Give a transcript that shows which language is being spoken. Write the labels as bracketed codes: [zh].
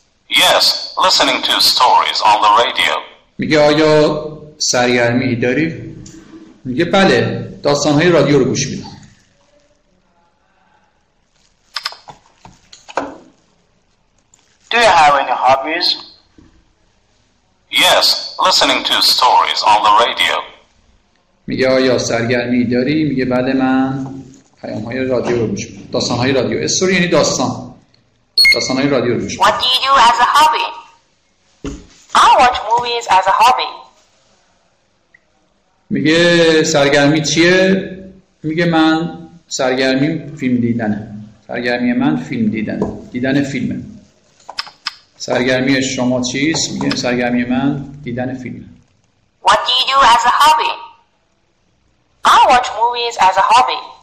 [en] Yes, listening to stories on the radio. [fa] میگه آیا سرگرمی داری؟ میگه بله، داستان‌های رادیو رو گوش میدم. [en] Do you have any hobbies? Yes, listening to stories on the radio. [fa] میگه آیا سرگرمی داری؟ میگه بله، من پیام‌های رادیو رو گوش می‌دم. داستان‌های رادیو. استوری یعنی داستان. داستان‌های رادیو رو گوش می‌دم. [en] What do you do as a hobby? I watch movies as a hobby. [fa] میگه سرگرمی چیه؟ میگه من سرگرمی فیلم دیدنه. سرگرمی من فیلم دیدن. دیدن فیلمه. سرگرمی شما چیست؟ میگه سرگرمی من دیدن فیلم. [en] What do you do as a hobby? I watch movies as a hobby.